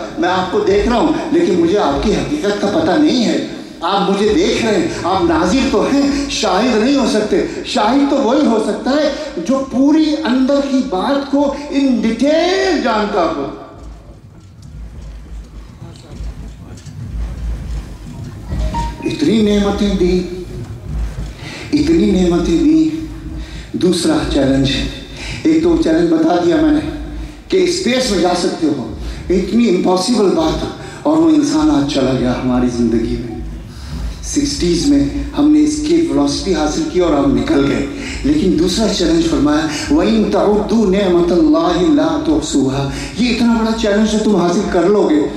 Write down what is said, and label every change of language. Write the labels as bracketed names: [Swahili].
[Urdu] میں آپ کو دیکھ رہا ہوں لیکن مجھے آپ کی حقیقت کا پتہ نہیں ہے. آپ مجھے دیکھ رہے ہیں, آپ ناظر تو ہیں, شاہد نہیں ہو سکتے. شاہد تو وہی ہو سکتا ہے جو پوری اندر کی بات کو ان ڈیٹیل جانتا ہو. اتنی نعمتیں دی, اتنی نعمتیں دی. دوسرا چیلنج, ایک تو چیلنج بتا دیا میں نے کہ اسپیس میں جا سکتے ہو, اتنی امپاسبل بات, اور وہ انسان آج چلا گیا ہماری زندگی میں. 60s میں ہم نے اس کی فلاسفی حاصل کی اور ہم نکل گئے. لیکن دوسرا چیلنج فرمایا [Arabic] وَإِن تَعُدُّوا نِعْمَتَ اللَّهِ لَا تُحْصُوهَا, [Urdu] یہ اتنا بڑا چیلنج ہے, تم حاصل کر لو گے.